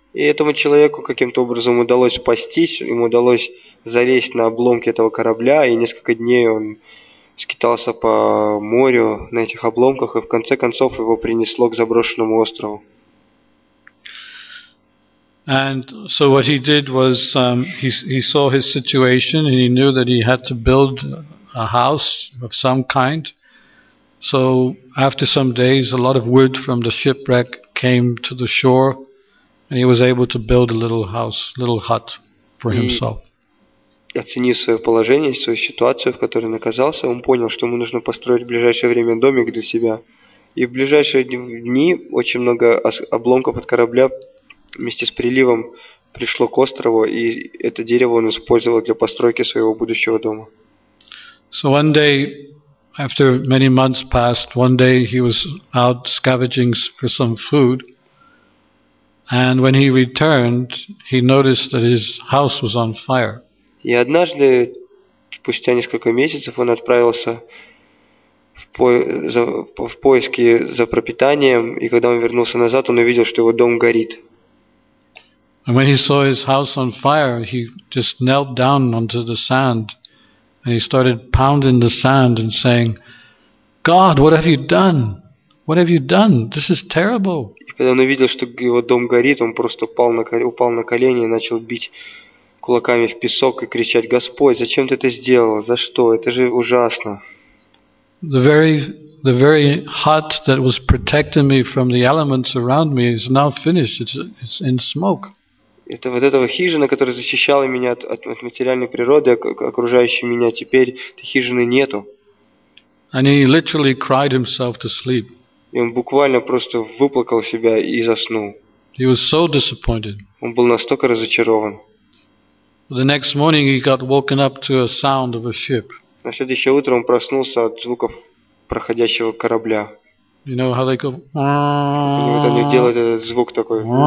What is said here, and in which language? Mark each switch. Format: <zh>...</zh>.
<ru>И этому человеку каким-то образом удалось спастись, ему удалось залезть на обломки этого корабля, и несколько дней он скитался по морю на этих обломках, и в конце концов его принесло к заброшенному острову.</ru> <en>And so what he did was he saw his situation and he knew that he had to build a house of some kind. So after some days, a lot of wood from the shipwreck came to the shore, and he was able to build a little house, little hut for himself.</en> <ru>оценив свое положение, свою ситуацию, в которой он оказался, он понял, что ему нужно построить в ближайшее время домик для себя. И в ближайшие дни очень много обломков от корабля вместе с приливом пришло к острову, и это дерево он использовал для постройки своего будущего дома.</ru> <en>So one day, after many months passed, one day he was out scavenging for some food, and when he returned, he noticed that his house was on fire.</en> <ru>И однажды, спустя несколько месяцев, он отправился в поиски за пропитанием, и когда он вернулся назад, он увидел, что его дом горит.</ru> <en>And when he saw his house on fire, he just knelt down onto the sand and he started pounding the sand and saying, God, what have you done? What have you done? This is terrible.</en> <ru>И когда он увидел, что его дом горит, он просто упал на колени и начал бить кулаками в песок и кричать, Господь, зачем ты это сделал? За что? Это же ужасно.</ru> <en>The very hut that was protecting me from the elements around me is now finished. It's in smoke.</en> <ru>Это вот эта хижина, которая защищала меня от материальной природы, окружающей меня, теперь этой хижины нету.</ru> <en>And he literally cried himself to sleep.</en> <ru>И он буквально просто выплакал себя и заснул.</ru> <en>He was so disappointed.</en> <ru>Он был настолько разочарован.</ru> <en>The next morning he got woken up to a sound of a ship.</en> <ru>На следующее утро он проснулся от звуков проходящего корабля.</ru> <en>You know how they go?</en> <ru>Вот они делают этот звук такой.</ru>